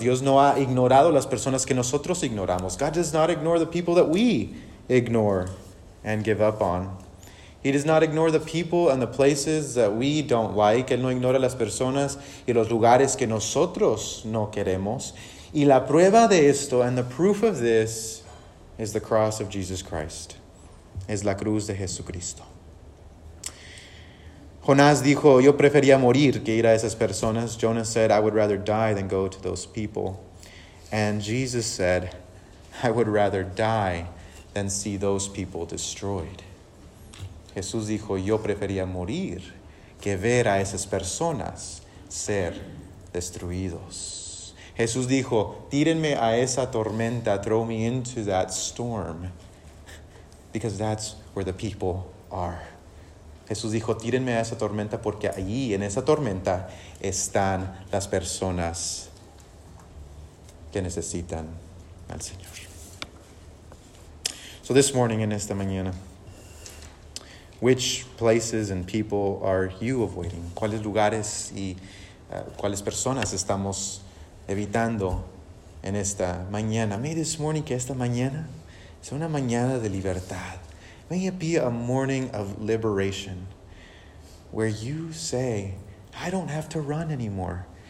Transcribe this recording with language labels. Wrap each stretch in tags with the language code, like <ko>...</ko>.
<es>Dios no ha ignorado las personas que nosotros ignoramos.</es> <en>God does not ignore the people that we ignore and give up on. He does not ignore the people and the places that we don't like.</en> <es>Él no ignora las personas y los lugares que nosotros no queremos. Y la prueba de esto,</es> <en>and the proof of this, is the cross of Jesus Christ.</en> <es>Es la cruz de Jesucristo. Jonás dijo, yo prefería morir que ir a esas personas.</es> <en>Jonah said, I would rather die than go to those people. And Jesus said, I would rather die than see those people destroyed.</en> <es>Jesús dijo, yo prefería morir que ver a esas personas ser destruidos. Jesús dijo, tírenme a esa tormenta,</es> <en>throw me into that storm, because that's where the people are.</en> <es>Jesús dijo, tírenme a esa tormenta porque allí, en esa tormenta, están las personas que necesitan al Señor.</es> <en>So this morning,</en> <es>en esta mañana,</es> <en>which places and people are you avoiding?</en> <es>¿Cuáles lugares y cuáles personas estamos evitando en esta mañana?</es> <en>May this morning,</en> <es>que esta mañana, sea una mañana de libertad.</es> <en>May it be a morning of liberation where you say, I don't have to run anymore.</en>